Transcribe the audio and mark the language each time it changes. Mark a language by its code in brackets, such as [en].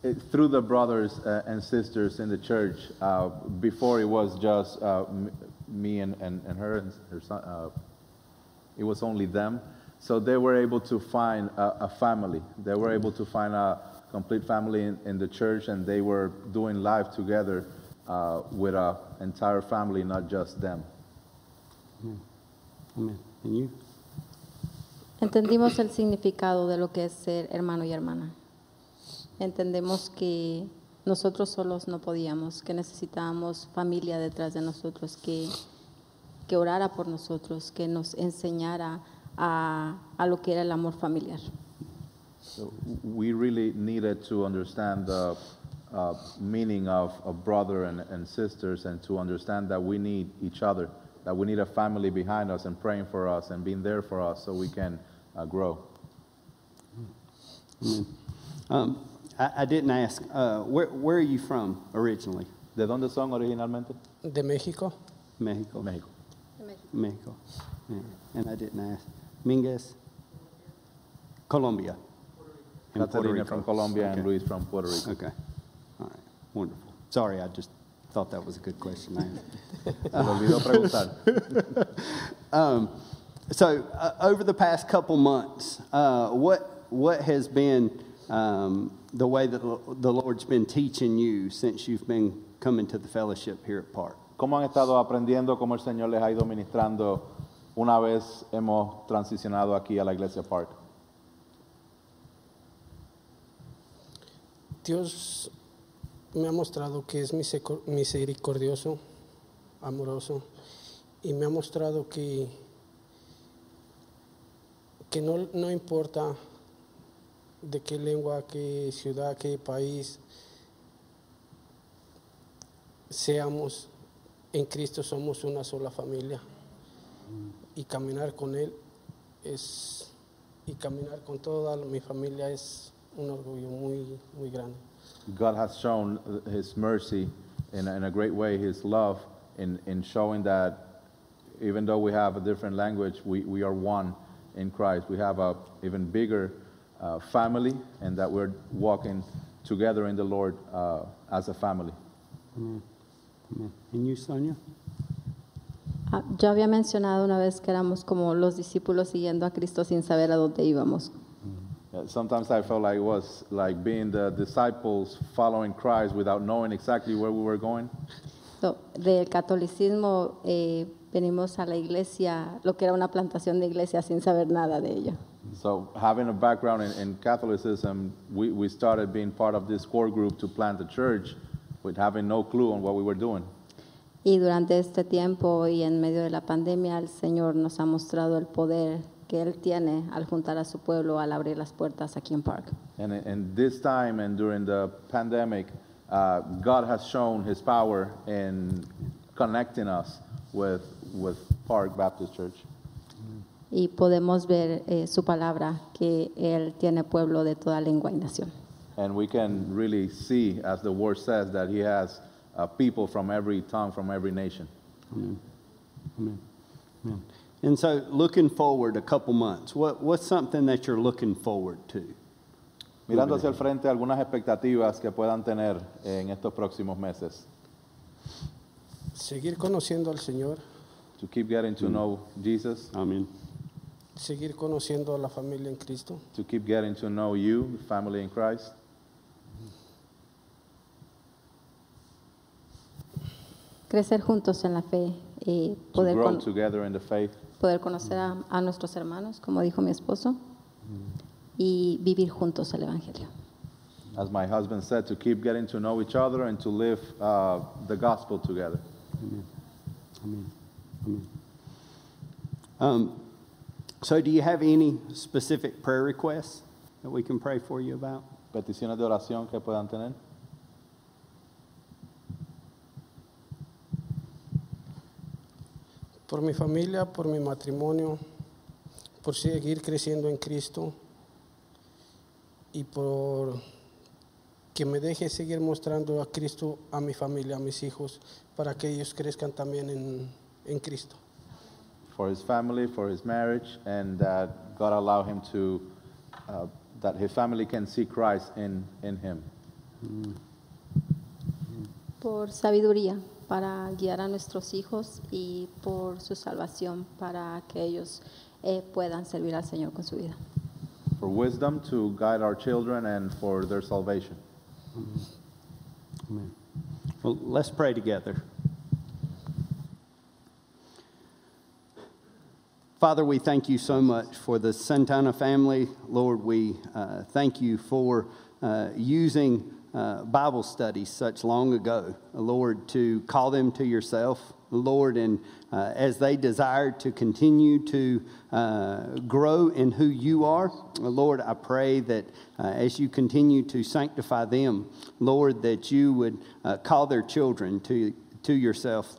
[en] Through the brothers and sisters in the church, before it was just me and her and her son, it was only them. So they were able to find a family. They were able to find a complete family in the church, and they were doing life together with an entire family, not just them. Amen. And you? [es] Entendimos el significado de lo que es ser hermano y hermana. Entendemos que nosotros solos no podíamos, que necesitábamos familia detrás de nosotros, que orara por nosotros, que nos enseñara a lo que era el amor familiar. [en] So we really needed to understand the meaning of brother and sisters, and to understand that we need each other, that we need a family behind us and praying for us and being there for us so we can grow. I didn't ask, where are you from originally? [es] ¿De dónde son originalmente? De México. México. México. [en] México. Yeah. And I didn't ask. Minguez? Colombia. Catalina from Colombia, okay. And Luis from Puerto Rico. Okay. All right. Wonderful. Sorry, I just thought that was a good question. [es] Se olvidó preguntar. [en] So over the past couple months, what has been the way that the Lord's been teaching you since you've been coming to the fellowship here at Park? [es] ¿Cómo han estado aprendiendo, cómo el Señor les ha ido ministrando una vez hemos transicionado aquí a la iglesia Park? Dios me ha mostrado que es misericordioso, amoroso, y me ha mostrado que no importa de qué lengua, qué ciudad, qué país seamos, en Cristo somos una sola familia. Y caminar con Él es, y caminar con toda mi familia es un orgullo muy, muy grande. [en] God has shown His mercy in a great way, His love, in showing that even though we have a different language, we are one in Christ. We have a even bigger family, and that we're walking together in the Lord as a family. And you, Sonia? [es] Yo había mencionado una vez que éramos como los discípulos siguiendo a Cristo sin saber a dónde íbamos. [en] Sometimes I felt like it was like being the disciples following Christ without knowing exactly where we were going. [es] So, del catolicismo venimos a la iglesia, lo que era una plantación de iglesia, sin saber nada de ello. [en] So having a background in Catholicism, we started being part of this core group to plant a church with having no clue on what we were doing. [es] Y durante este tiempo y en medio de la pandemia, el Señor nos ha mostrado el poder que Él tiene al juntar a su pueblo, al abrir las puertas aquí en Park. [en] And this time and during the pandemic, God has shown His power in connecting us with Park Baptist Church. [es] Y podemos ver su palabra, que Él tiene pueblo de toda lengua y nación. [en] And we can really see, as the word says, that He has people from every tongue, from every nation. Amen. Amen. And so, looking forward a couple months, what's something that you're looking forward to? [es] Mirando hacia el frente, algunas expectativas que puedan tener en estos próximos meses. Seguir conociendo al Señor. [en] To keep getting to know Jesus. Amen. [es] Seguir conociendo a la familia en Cristo. [en] To keep getting to know you, family in Christ. [es] Crecer juntos en la fe y poder, [en] to grow together in the faith. [es] Poder conocer a nuestros hermanos, como dijo mi esposo, y vivir juntos el Evangelio. [en] As my husband said, to keep getting to know each other and to live the gospel together. Amen. Amen. Amen. So do you have any specific prayer requests that we can pray for you about? [es] Peticiones de oración que puedan tener. Por mi familia, por mi matrimonio, por seguir creciendo en Cristo, y por que me deje seguir mostrando a Cristo a mi familia, a mis hijos, para que ellos crezcan también en Cristo. [en] For his family, for his marriage, and that God allow him to, that his family can see Christ in him. [es] Por sabiduría, para guiar a nuestros hijos, y por su salvación, para que ellos puedan servir al Señor con su vida. [en] For wisdom to guide our children and for their salvation. Amen. Well, let's pray together. Father, we thank you so much for the Santana family. Lord, we thank you for using Bible studies such long ago, Lord, to call them to yourself, Lord, and as they desire to continue to grow in who you are, Lord, I pray that as you continue to sanctify them, Lord, that you would call their children to yourself.